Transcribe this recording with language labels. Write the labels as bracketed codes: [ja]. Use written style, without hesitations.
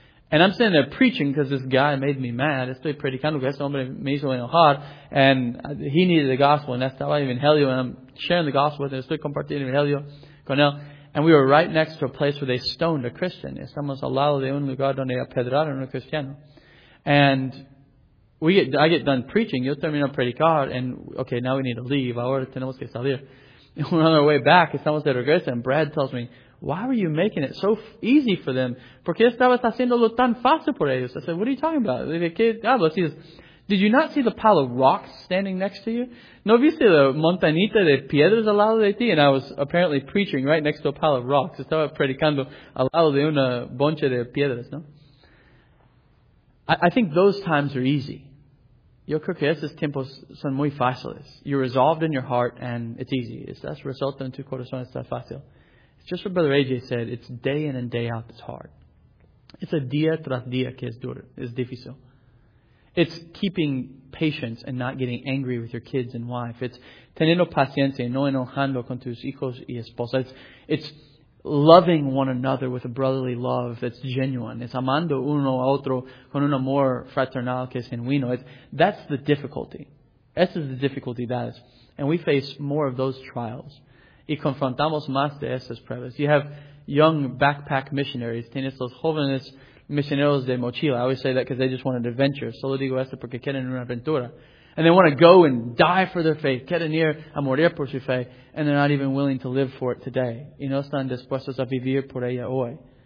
[en] And I'm standing there preaching because this guy made me mad. [es] Estoy predicando que este hombre me hizo enojar. [en] And he needed the gospel, and [es] estaba en evangelio, [en] and I'm sharing the gospel with him. [es] Estoy compartiendo evangelio con él. [en] And we were right next to a place where they stoned a Christian. Estamos al lado de un lugar donde apedraron a cristiano. And I get done preaching. [es] Yo termino predicar. [en] And okay, now we need to leave. [es] Ahora tenemos que salir. [en] We're on our way back. [es] Estamos de regreso. [en] And Brad tells me, why were you making it so easy for them? [es] ¿Por qué estabas haciéndolo tan fácil por ellos? [en] I said, what are you talking about? [es] ¿Qué hablas? [en] He says, did you not see the pile of rocks standing next to you? [es] ¿No viste la montañita de piedras al lado de ti? [en] And I was apparently preaching right next to a pile of rocks. [es] Estaba predicando al lado de una boncha de piedras, ¿no? [en] I think those times are easy. [es] Yo creo que esos tiempos son muy fáciles. [en] You're resolved in your heart and it's easy. [es] Estás resuelto en tu corazón, está fácil. [en] It's just what Brother AJ said. It's day in and day out that's hard. It's a [es] día tras día que es duro, es difícil. [en] It's keeping patience and not getting angry with your kids and wife. [es] It's teniendo paciencia y no enojando con tus hijos y esposa. [en] It's loving one another with a brotherly love that's genuine. [es] It's amando uno a otro con un amor fraternal que es genuino. [en] That's the difficulty. [es] Esa es la dificultad. [en] And we face more of those trials. [es] Y confrontamos más de esas pruebas. [en] You have young backpack missionaries. [es] Tienes los jóvenes misioneros de mochila. [en] I always say that because they just want an adventure. [es] Solo digo esto porque quieren una aventura. [en] And they want to go and die for their faith. [es] Quieren ir a morir por su fe. [en] And they're not even willing to live for it today. [es] Y no están dispuestos a vivir por ella hoy.